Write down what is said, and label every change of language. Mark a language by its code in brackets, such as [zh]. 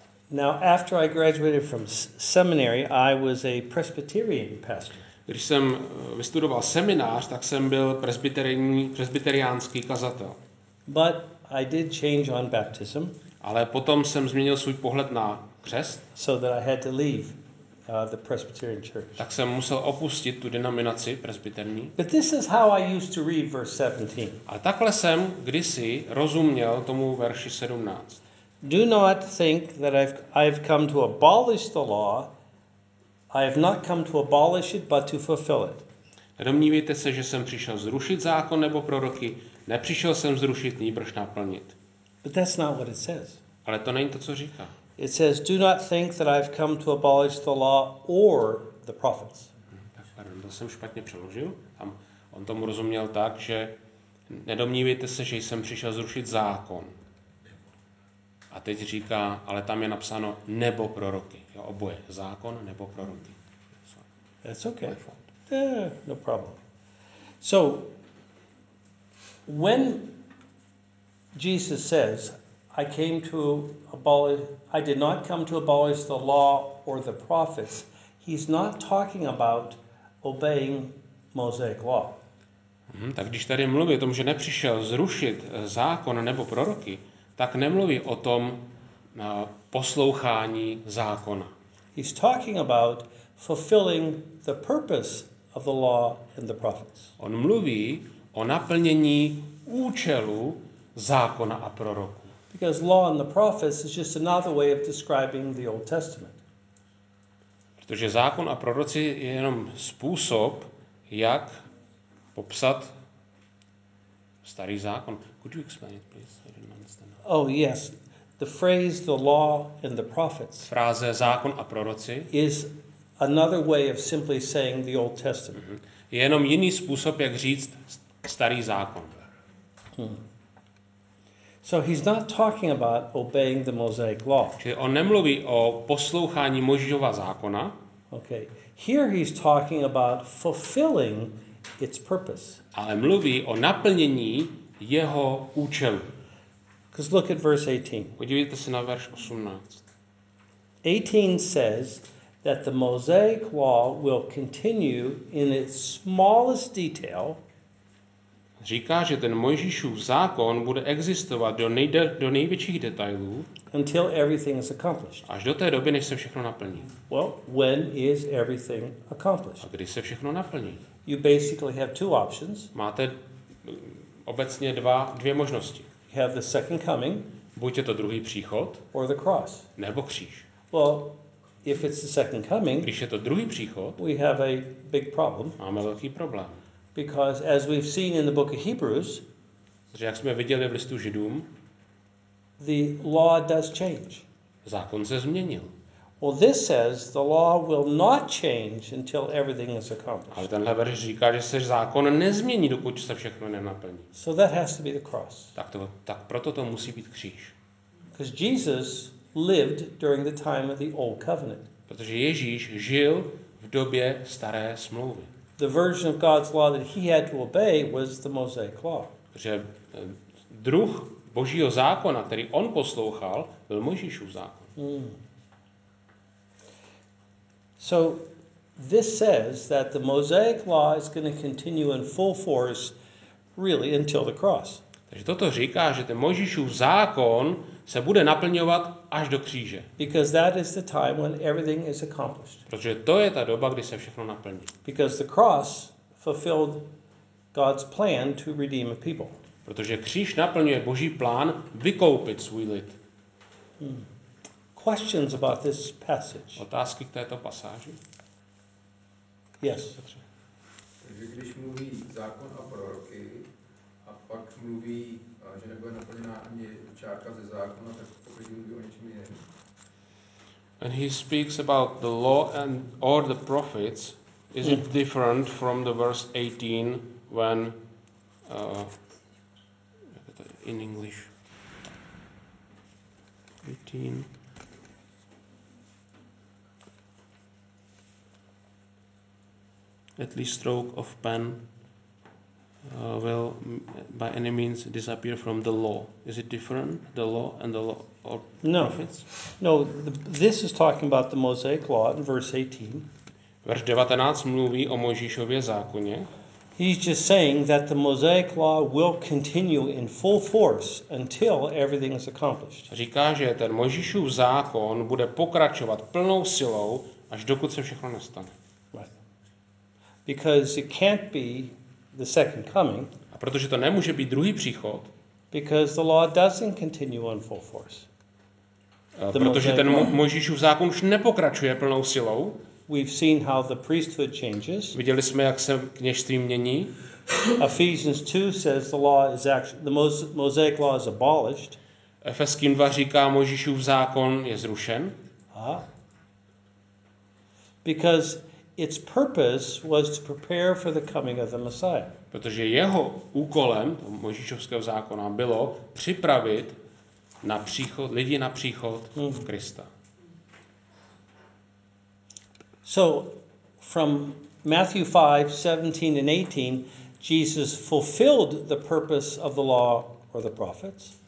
[en] Now after I graduated from seminary, I was a Presbyterian pastor. [cs] Když jsem vystudoval seminář, tak jsem byl presbyteriánský kazatel. [en] But I did change on baptism. [cs] Ale potom jsem změnil svůj pohled na křest. [en] So that I had to leave the Presbyterian church. [cs] Tak jsem musel opustit tu denominaci presbyterní. [en] But this is how I used to read verse 17. [cs] A takhle jsem kdysi rozuměl tomu verši 17. [en] Do not think that I've come to abolish the law. I have not come to abolish it, but to fulfill it. [cs] Nedomnívejte se, že jsem přišel zrušit zákon nebo proroky. Nepřišel jsem zrušit, nýbrž naplnit. [en] But that's not what it says. [cs] Ale to není to, co říká. [en] It says, do not think that I've come to abolish the law or the prophets. [cs] Tak, pardon, to jsem špatně přeložil. Tam on tomu rozuměl tak, že nedomnívejte se, že jsem přišel zrušit zákon. A teď říká, ale tam je napsáno nebo proroky. Jo, oboje, zákon nebo proroky. [en] That's okay. No problem. So, when Jesus says, I came to abolish, I did not come to abolish the law or the prophets, he's not talking about obeying Mosaic law. [cs] Tak když tady mluví o tom, že nepřišel zrušit zákon nebo proroky, tak nemluví o tom poslouchání zákona. [en] He's talking about fulfilling the purpose of the law and the prophets. [cs] On mluví o naplnění účelu zákona a proroků. [en] Because law and the prophets is just another way of describing the Old Testament. [cs] Protože zákon a proroci je jenom způsob, jak popsat starý zákon. [en] Could you explain it, please? I didn't understand. Oh, yes. The phrase the law and the prophets. [cs] Fráze zákon a proroci [en] is another way of simply saying the Old Testament. [cs] Je jenom jiný způsob, jak říct starý zákon. [en] So he's not talking about obeying the Mosaic law. [cs] Čili on nemluví o poslouchání Mojžíšova zákona. [en] Okay. Here he's talking about fulfilling its purpose. [cs] Ale mluví o naplnění jeho účelu. [en] Because look at verse 18. [cs] Podívejte se na verš 18. [en] 18 says that the Mosaic law will continue in its smallest detail. [cs] Říká, že ten Mojžíšův zákon bude existovat do největších detailů [en] until everything is accomplished. [cs] Až do té doby, než se všechno naplní. [en] Well, when is everything accomplished? [cs] A kdy se všechno naplní? [en] You basically have two options. [cs] Máte obecně dvě možnosti. [en] You have the second coming, [cs] buď je to druhý příchod, [en] or the cross. [cs] Nebo kříž. [en] Well, if it's the second coming, [cs] když je to druhý příchod, [en] we have a big problem. [cs] Máme velký problém. [en] Because as we've seen in the book of Hebrews, [cs] že jak jsme viděli v listu Židům, [en] the law does change. [cs] Zákon se změnil. [en] Well, this says the law will not change until everything is accomplished. [cs] Ale tenhle verš říká, že se zákon nezmění, dokud se všechno nenaplní. [en] So that has to be the cross. [cs] Tak proto to musí být kříž. [en] Because Jesus lived during the time of the old covenant. [cs] Protože Ježíš žil v době staré smlouvy. [en] The version of God's law that he had to obey was the Mosaic law. [cs] že druh Božího zákona, který on poslouchal, byl Mojžíšův zákon. Mm. [en] So this says that the Mosaic law is going to continue in full force really until the cross. [cs] Takže toto říká, že ten Mojžíšův zákon se bude naplňovat až do kříže. [en] Because that is the time when everything is accomplished. [cs] Protože to je ta doba, kdy se všechno naplní. [en] Because the cross fulfilled God's plan to redeem a people. [cs] Protože kříž naplňuje Boží plán vykoupit svůj lid. [en] Questions about this passage. [cs] Otázky k této pasáži? [en] Yes. [cs] Takže když mluví zákon a proroky, a pak mluví, že nebude naplněná ani čárka ze zákona, tak pokud mluví o něčem jiném. [en] And he speaks about the law and or the prophets, is it different from the verse 18 when in English 18 at least stroke of pen will by any means disappear from the law. Is it different, the law and the law or no prophets? No, this is talking about the Mosaic law in verse 18. [cs] Verš 19 mluví o Mojžíšově zákoně. [en] He's just saying that the Mosaic law will continue in full force until everything is accomplished. [cs] Říká, že ten Mojžíšův zákon bude pokračovat plnou silou, až dokud se všechno nestane. [en] Right. Because it can't be the second coming. [cs] A protože to nemůže být druhý příchod. [en] Because the law doesn't continue in full force. [cs] Protože ten Mojžíšův zákon už nepokračuje plnou silou. [en] We've seen how the priesthood changes. [cs] Viděli jsme, jak se kněžství mění. [en] Ephesians 2 says the law is actually the Mosaic law is abolished. [cs] Efeským 2 říká, Mojžíšův zákon je zrušen. Uh-huh. [en] Because its purpose was to prepare for the coming of the Messiah. [cs] Protože jeho úkolem Mojžíšovského zákona bylo připravit na příchod lidi na příchod Krista. [en] So from Matthew 5:17 and 18 Jesus fulfilled the purpose of the law or the prophets.